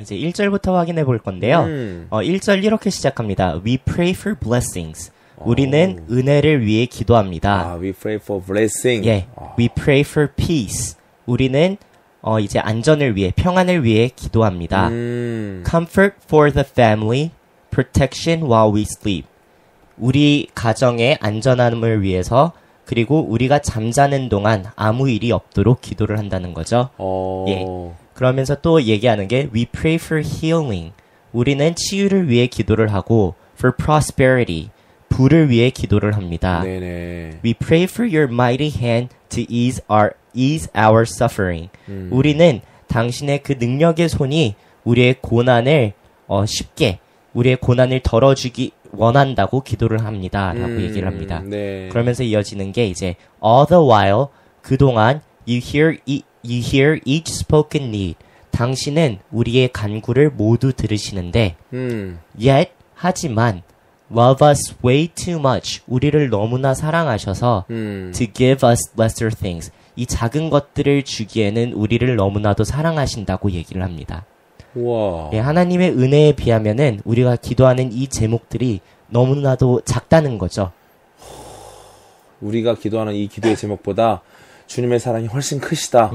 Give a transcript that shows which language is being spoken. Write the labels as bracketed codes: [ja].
[ko] 이제 1절부터 확인해 볼 건데요. 1절 이렇게 시작합니다. [en] We pray for blessings. [ko] 우리는 오. 은혜를 위해 기도합니다. [en] 아, we pray for blessings. 예. 오. We pray for peace. [ko] 우리는 이제 안전을 위해 평안을 위해 기도합니다. [en] Comfort for the family. Protection while we sleep. [ko] 우리 가정의 안전함을 위해서. 그리고 우리가 잠자는 동안 아무 일이 없도록 기도를 한다는 거죠. 예. 그러면서 또 얘기하는 게 [en] We pray for healing. [ko] 우리는 치유를 위해 기도를 하고 [en] For prosperity. [ko] 부를 위해 기도를 합니다. 네네. [en] We pray for your mighty hand to ease our suffering. [ko] 우리는 당신의 그 능력의 손이 우리의 고난을 쉽게 우리의 고난을 덜어주기 원한다고 기도를 합니다. 라고 얘기를 합니다. 네. 그러면서 이어지는 게 이제 [en] All the while, [ko] 그동안 [en] you hear each spoken need. [ko] 당신은 우리의 간구를 모두 들으시는데 [en] Yet, [ko] 하지만 [en] Love us way too much. [ko] 우리를 너무나 사랑하셔서 [en] To give us lesser things. [ko] 이 작은 것들을 주기에는 우리를 너무나도 사랑하신다고 얘기를 합니다. 와. 예, 하나님의 은혜에 비하면은 우리가 기도하는 이 제목들이 너무나도 작다는 거죠. 우리가 기도하는 이 기도의 제목보다 주님의 사랑이 훨씬 크시다.